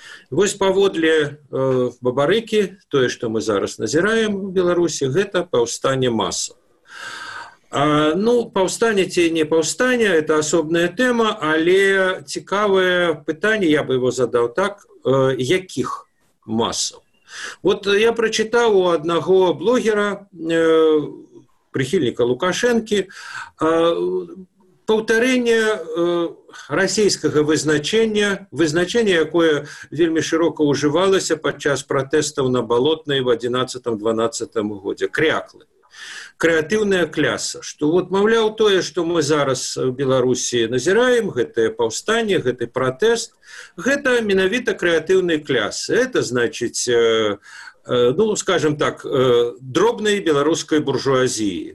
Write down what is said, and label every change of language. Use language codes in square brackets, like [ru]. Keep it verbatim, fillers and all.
[be] Вось паводле Бабарыкі, тое, што мы зараз назіраем у Беларусі, гэта паўстанне масаў. А, ну, паўстанне ці не паўстанне – [ru] это [be] асобная тэма, але цікавае пытанне, [ru] я бы его [be] задаў так, якіх масаў? [ru] Вот я прочитал у одного блогера, э, прихильника Лукашенки, э, повторение э, российского [be] вызначения, вызначение, [ru] которое [be] вельми [ru] широко уживалось [be] падчас [ru] протестов на Болотной в одиннадцатом дванадцатом [be] годзе, [ru] кряклы. [be] Крэатыўная кляса, што вот маўляў тое, што мы зараз у Беларусі назіраем, гэтае паўстанне, гэты пратэст, гэта менавіта крэатыўнай клясы. Гэта значыць, э, э, ну, скажем так, э, дробнай беларускай буржуазіі.